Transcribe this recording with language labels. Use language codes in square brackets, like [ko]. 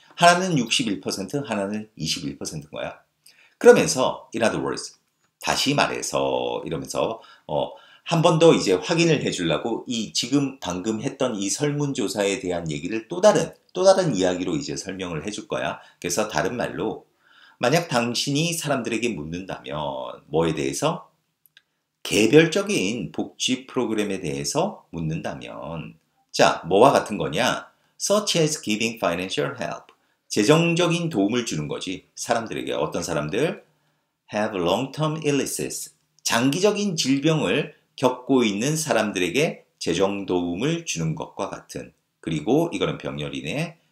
[ko] 하나는 61%, 하나는 21%인 거야. 그러면서 [en] in other words, [ko] 다시 말해서 이러면서 한 번 더 이제 확인을 해주려고 이 지금 방금 했던 이 설문조사에 대한 얘기를 또 다른 이야기로 이제 설명을 해줄 거야. 그래서 다른 말로 만약 당신이 사람들에게 묻는다면 뭐에 대해서? 개별적인 복지 프로그램에 대해서 묻는다면 자, 뭐와 같은 거냐? [en] Such as giving financial help. [ko] 재정적인 도움을 주는 거지. 사람들에게. 어떤 사람들? [en] Have long-term illnesses. [ko] 장기적인 질병을 겪고 있는 사람들에게 재정 도움을 주는 것과 같은. 그리고 이거는 병렬이네.